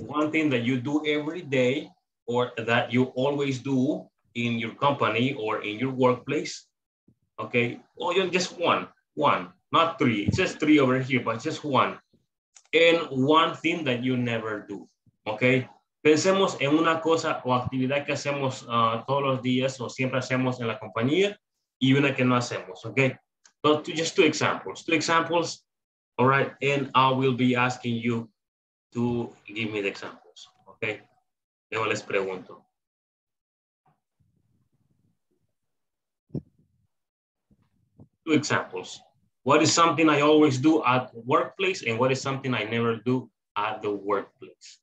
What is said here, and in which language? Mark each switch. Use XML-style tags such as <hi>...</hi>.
<en>One thing that you do every day or that you always do in your company or in your workplace, okay? Oh, yeah, just one, not three. It's just three over here, but just one. And one thing that you never do, okay?</en> <es>Pensemos en una cosa o actividad que hacemos todos los días o siempre hacemos en la compañía y una que no hacemos, okay?</es> <en>But just two examples, all right? And I will be asking you to give me the examples, okay?</en> <es>Luego les pregunto.</es> <en>Two examples. What is something I always do at workplace and what is something I never do at the workplace?</en>